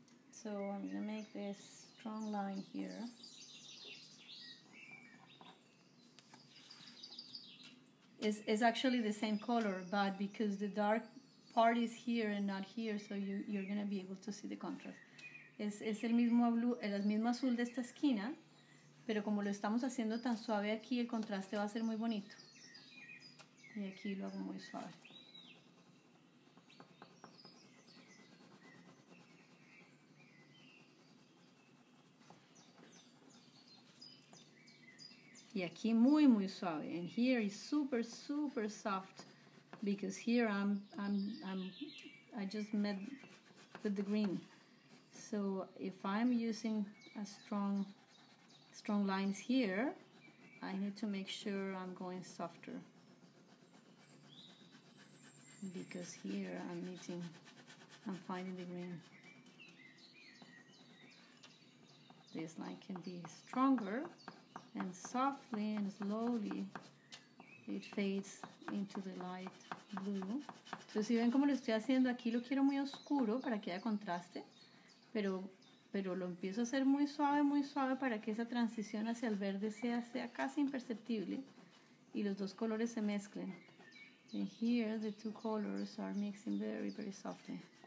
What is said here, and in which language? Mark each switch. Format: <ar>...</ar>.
<en>So I'm going to make this strong line here. It's actually the same color, but because the dark part is here and not here, so you're going to be able to see the contrast.</en> <es>Es el mismo</es> <en>blue,</en> <es>el mismo azul de esta esquina, pero como lo estamos haciendo tan suave aquí, el contraste va a ser muy bonito. Y aquí lo hago muy suave. Y aquí muy muy suave.</es> <en>And here is super super soft because here I just met with the green. So if I'm using a strong lines here, I need to make sure I'm going softer because here I'm finding the green. This line can be stronger. And softly and slowly it fades into the light blue.</en> <es>Entonces, si ven como lo estoy haciendo, aquí lo quiero muy oscuro para que haya contraste, pero lo empiezo a hacer muy suave para que esa transición hacia el verde sea casi imperceptible y los dos colores se mezclen.</es> <en>And here the two colors are mixing very, very softly.</en>